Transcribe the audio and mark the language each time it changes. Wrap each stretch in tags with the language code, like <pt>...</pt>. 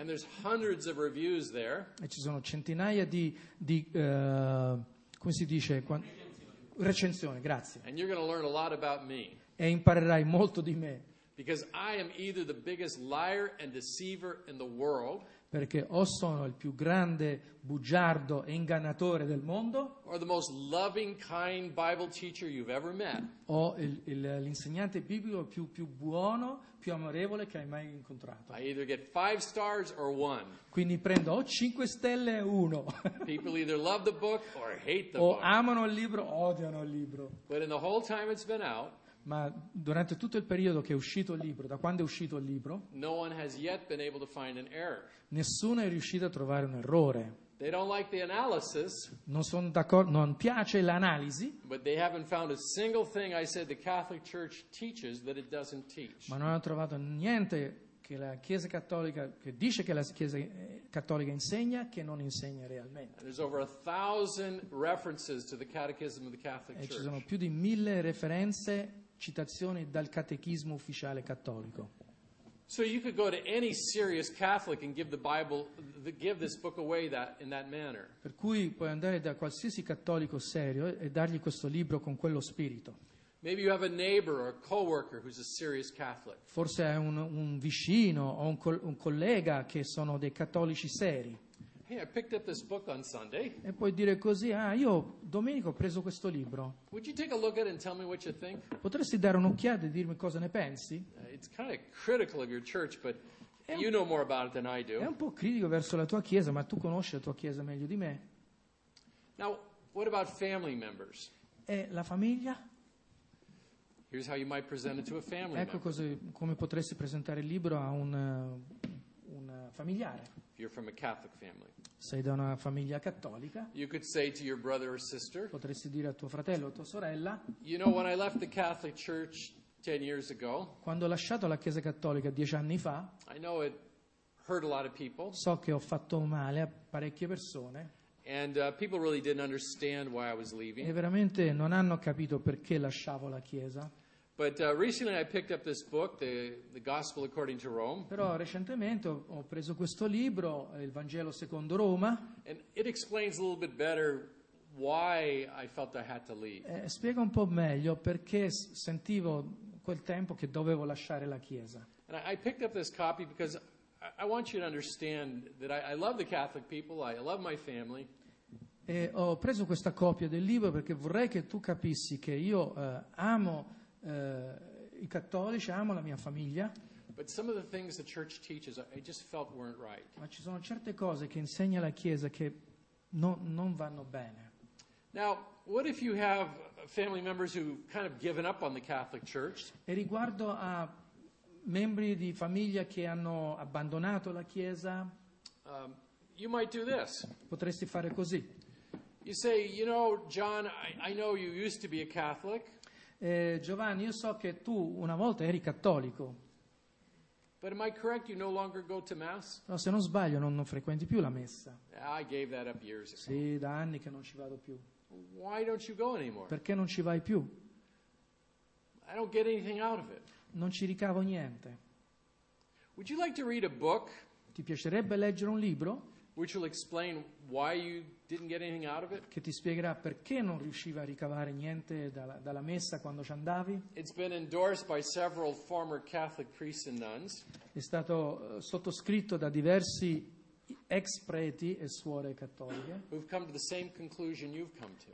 <en>And there's hundreds of reviews there.</en> <it>E ci sono centinaia come si dice? Recensioni, grazie.</it> <en>And you're going to learn a lot about me.</en> <it>E imparerai molto di me.</it> <en>Because I am either the biggest liar and deceiver in the world.</en> <it>Perché o sono il più grande bugiardo e ingannatore del mondo,</it> <en>or the most loving, kind Bible teacher you've ever met.</en> <it>O l'insegnante biblico più buono, più amorevole che hai mai incontrato.</it> <en>I either get 5 stars or 1.</en> <it>Quindi prendo o 5 stelle e 1.</it> <en>People either love the book or hate the book.</en> <it>O amano il libro o odiano il libro.</it> <en>But in the whole time it's been out,</en> <it>ma durante tutto il periodo che è uscito il libro, da quando è uscito il libro,</it> <en>no one has yet been able to find an error.</en> <it>Nessuno è riuscito a trovare un errore.</it> <en>They don't like the analysis,</en> <it>non sono d'accordo, non piace l'analisi,</it> <en>but they haven't found a single thing I said the Catholic Church teaches that it doesn't teach.</en> <it>Ma non hanno trovato niente che la Chiesa Cattolica, che dice che la Chiesa Cattolica insegna, che non insegna realmente.</it> <en>There's over 1,000 references to the Catechism of the Catholic Church.</en> <it>E ci sono più di 1,000 referenze, citazioni dal Catechismo Ufficiale Cattolico.</it> <en>So you could go to any serious Catholic and give the Bible, give this book away in that manner.</en> <it>Per cui puoi andare da qualsiasi cattolico serio e dargli questo libro con quello spirito.</it> <en>Maybe you have a neighbor or a coworker who's a serious Catholic.</en> <it>Forse hai un vicino o un collega che sono dei cattolici seri.</it> <en>Hey, I picked up this book on Sunday.</en> <it>E puoi dire così: ah, io domenico ho preso questo libro.</it> <en>Would you take a look at it and tell me what you think?</en> <it>Potresti dare un'occhiata e dirmi cosa ne pensi?</it> <en>It's kind of critical of your church, but you know more about it than I do.</en> <it>È un po' critico verso la tua chiesa, ma tu conosci la tua chiesa meglio di me.</it> <en>Now, what about family members?</en> <it>E la famiglia?</it> <en>Here's how you might present it to a family member.</en> <it>Ecco come potresti presentare il libro a un familiare.</it> <en>You're from a Catholic family.</en> <it>sei da una famiglia cattolica,</it> <en>you could say to your brother or sister,</en> <it>potresti dire a tuo fratello o tua sorella,</it> <en>you know, when I left the Catholic Church 10 years ago,</en> <it>quando ho lasciato la Chiesa Cattolica 10 anni fa,</it> <en>I know it hurt a lot of people,</en> <it>so che ho fatto male a parecchie persone.</it> <en>And people really didn't understand why I was leaving.</en> <it>E veramente non hanno capito perché lasciavo la chiesa.</it> <en>But recently I picked up this book, the Gospel According to Rome.</en> <it>Però recentemente ho preso questo libro, il Vangelo secondo Roma.</it> <en>And it explains a little bit better why I felt I had to leave.</en> <it>Spiega un po' meglio perché sentivo quel tempo che dovevo lasciare la chiesa.</it> <en>And I picked up this copy because I want you to understand that I love the Catholic people, I love my family.</en> <it>E ho preso questa copia del libro perché vorrei che tu capissi che io amo i cattolici, amo la mia famiglia.</it> <en>But some of the things the church teaches I just felt weren't right.</en> <it>Ma ci sono certe cose che insegna la Chiesa che non vanno bene.</it> <en>Now, what if you have family members who kind of given up on the Catholic Church?</en> <it>E riguardo a membri di famiglia che hanno abbandonato la Chiesa,</it> <en>you might do this.</en> <it>Potresti fare così.</it> <en>You say, you know, John, I know you used to be a Catholic.</en> <it>Giovanni, io so che tu una volta eri cattolico.</it> <en>But am I correct? You no longer go to mass?</en> <it>No, se non sbaglio, non frequenti più la messa.</it> <en>I gave that up years ago.</en> <it>Sì, da anni che non ci vado più.</it> <en>Why don't you go anymore?</en> <it>Perché non ci vai più?</it> <en>I don't get anything out of it.</en> <it>Non ci ricavo niente.</it> <en>Would you like to read a book?</en> <it>Ti piacerebbe leggere un libro?</it> <en>Which will explain why you didn't get anything out of it?</en> <it>Che ti spiegherà perché non riuscivi a ricavare niente dalla messa quando ci andavi?</it> <en>It's been endorsed by several former Catholic priests and nuns.</en> <it>È stato sottoscritto da diversi ex preti e suore cattoliche.</it> <en>Who've come to the same conclusion you've come to.</en>